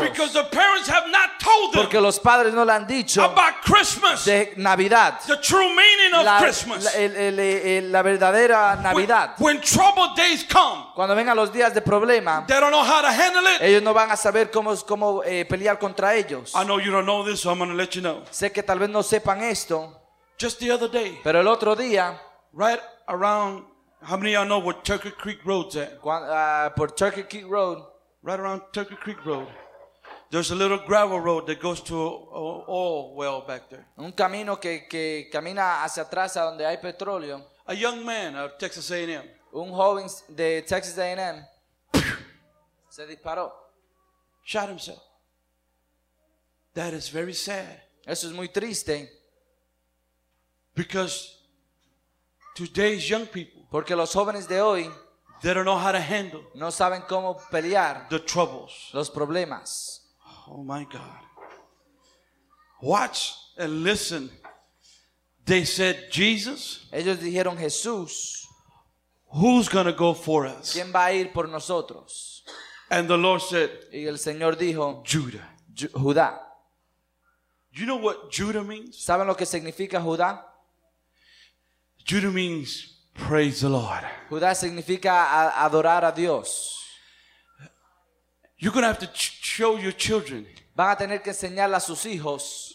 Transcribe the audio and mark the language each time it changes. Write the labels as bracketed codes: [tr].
[en] Because the parents have not told them. [es] Porque los padres no le han dicho. [en] About Christmas. [es] De Navidad. [en] The true meaning of Christmas. [es] La verdadera Navidad. [en] When troubled days come. [es] Cuando vengan los días de problema. [en] They don't know how to handle it. [es] Ellos no van a saber cómo pelear contra ellos. [en] I know you don't know this, so I'm going to let you know. [es] Sé que tal vez no sepan esto. [en] Just the other day. [es] Pero el otro día. [en] Right around. How many of y'all know where Turkey Creek Road's at? [es] Por Turkey Creek Road. [en] Right around Turkey Creek Road. There's a little gravel road that goes to oil well back there. [es] Un camino que camina hacia atrás a donde hay petróleo. [en] A young man of Texas A&M. [es] Un joven de Texas A&M. Se disparó. [en] Shot himself. That is very sad. [es] Eso es muy triste. [en] Because today's young people. [es] Porque los jóvenes de hoy [en] they don't know how to handle [es] no saben cómo pelear [en] the troubles. [es] Los problemas. [en] Oh my God. Watch and listen. They said, Jesus. [es] Ellos dijeron, Jesús. [en] Who's going to go for us? [es] ¿Quién va a ir por nosotros? [en] And the Lord said, [es] y el Señor dijo, [en] Judah. [es] Judá. [en] You know what Judah means? [es] ¿Saben lo que significa Judá? [en] Judah means praise the Lord. [es] Judá significa adorar a Dios. [en] You're going to have to show your children. [es] Van a tener que enseñarle a sus hijos.